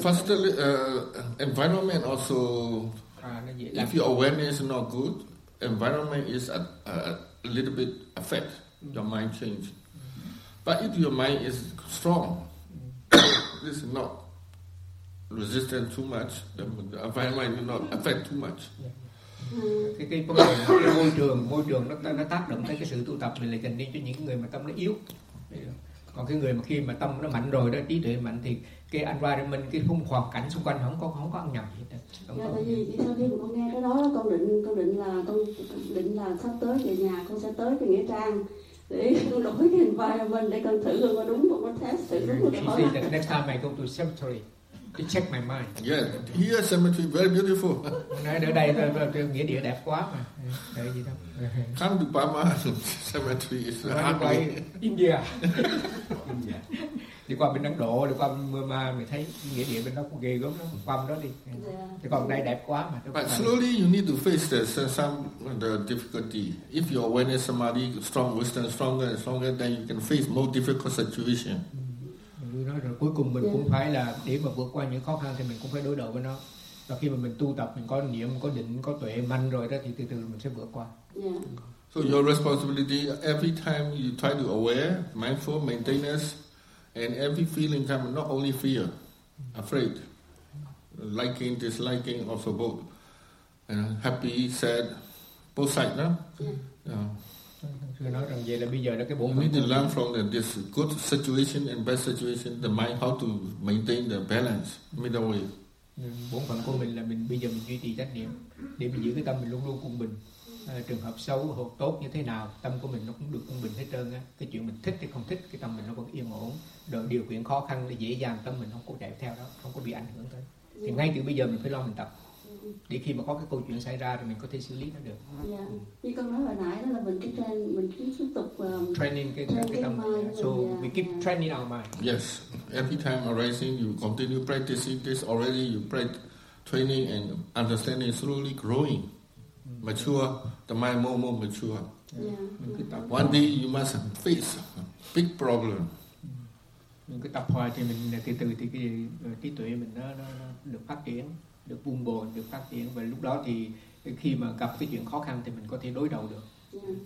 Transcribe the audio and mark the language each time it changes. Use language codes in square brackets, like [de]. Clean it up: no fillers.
[en] Firstly, environment also. If your awareness is not good. Environment is a little bit affect your mind change, but if your mind is strong, this is not resistant too much. The environment will not affect too much. [vi] Cái môi trường nó tác động tới cái sự tu tập về lại cần đi cho những người mà tâm nó yếu. Còn cái người mà khi mà tâm nó mạnh rồi đó, trí tuệ mạnh thì cái environment, cái khung hoàn cảnh xung quanh không có ăn nhầm gì hết. Dạ, tại vì sau khi mà con nghe cái đó, con định là sắp tới về nhà con sẽ tới cái nghĩa trang để con đổi cái environment để con thử luôn có đúng không, có test thử đúng không. [en] She said that next time I go to cemetery to check my mind. Yeah, here cemetery very beautiful. [vi] Nói ở đây là nghĩa địa đẹp quá mà. Để gì đâu. [en] Come to Burma cemetery is ugly. India. [vi] Đi qua bên Ấn Độ, đi qua Burma, mình thấy nghĩa địa bên đó cũng ghê gớm lắm, qua đó đi. Thì còn đây đẹp quá mà. [en] But slowly you need to face the difficulty. If your awareness samadhi strong, wisdom stronger and stronger, then you can face more difficult situation. [vi] Cuối cùng mình cũng phải là để mà vượt qua những khó khăn thì mình cũng phải đối đầu với nó. Và khi mà mình tu tập, mình có niệm, có định, có tuệ mạnh rồi đó thì từ từ mình sẽ vượt qua. [en] So your responsibility every time you try to aware, mindful, maintenance. And every feeling comes, not only fear, afraid, liking, disliking, also both, happy, sad, both sides, no? Yeah. You need to learn from this good situation and bad situation, the mind, how to maintain the balance, middle way. [vi] Bốn phần của mình là mình bây giờ mình duy trì trách nhiệm để mình giữ cái tâm mình luôn luôn quân bình. Trường hợp xấu hoặc tốt như thế nào tâm của mình nó cũng được quân bình hết trơn á. Cái chuyện mình thích hay không thích, cái tâm mình nó vẫn yên ổn. Đợi điều kiện khó khăn để dễ dàng, tâm mình không có chạy theo đó, không có bị ảnh hưởng tới. Thì ngay từ bây giờ mình phải lo mình tập, để khi mà có cái câu chuyện xảy ra rồi mình có thể xử lý nó được. Như con nói hồi nãy đó là mình cứ train, mình cứ tiếp tục training cái tâm mind. [en] So we keep training our mind. Yes, every time arising you continue practicing this, already you practice training and understanding slowly growing. Mature, the mind more mature. Yeah. One day you must face a big problem. [vi] Cái tập hoài thì mình từ từ thì cái trí tuệ mình nó được phát triển, được buông bồn, được phát triển, và lúc đó thì khi mà gặp cái chuyện khó khăn thì mình có thể đối đầu được.